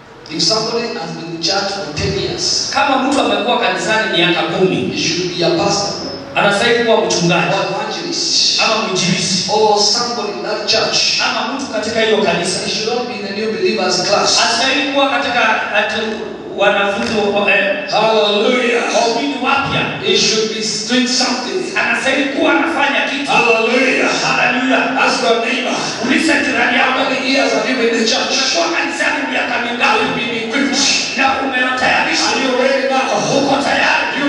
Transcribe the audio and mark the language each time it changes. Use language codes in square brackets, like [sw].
[en] If somebody has been in church for 10 years, [sw] kama mtu amekuwa kanisani miaka 10, [en] he should be a pastor. [sw] Anastahili kuwa mchungaji. [en] Or evangelist. [sw] Ama mwinjilisti. [en] Or somebody in that church. [sw] Ama mtu katika hilo kanisa. [en] He should not be in the new believers class. [sw] Anastahili kuwa katika wanafunzi wa kwa hema. [en] Hallelujah. [sw] Waumini wapya. [en] He should be doing something. [sw] Anastahili kuwa anafanya kitu. [en] Hallelujah. Hallelujah. Ask your neighbor. [sw] Ulize jirani yako. [en] How many years have you been in church? [sw] Unakuwa kanisani miaka mingapi? [en] You've been equipped. [sw] Na umetayarishwa. [en] Are you ready now? [sw] Uko tayari.